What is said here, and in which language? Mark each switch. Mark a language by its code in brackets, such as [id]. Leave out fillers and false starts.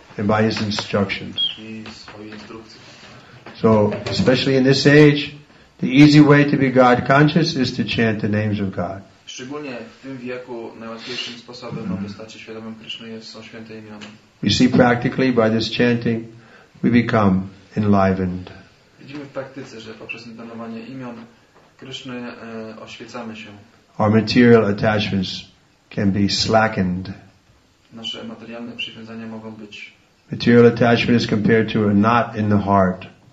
[en] And by his instructions. [pl] I swoje instrukcje. [en] So, especially in this age, the easy way to be God conscious is to chant the names of God. [pl] Szczególnie w tym wieku najłatwiejszym sposobem, aby stać się świadomym Kryszny, są święte imiona. [en] We see practically by this chanting, we become enlivened. [pl] Widzimy w praktyce, że poprzez intonowanie imion Kryszny oświecamy się. [en] Our material attachments can be slackened. [pl] Nasze materialne przywiązania mogą być. [en] Material attachment is compared to a knot in the heart.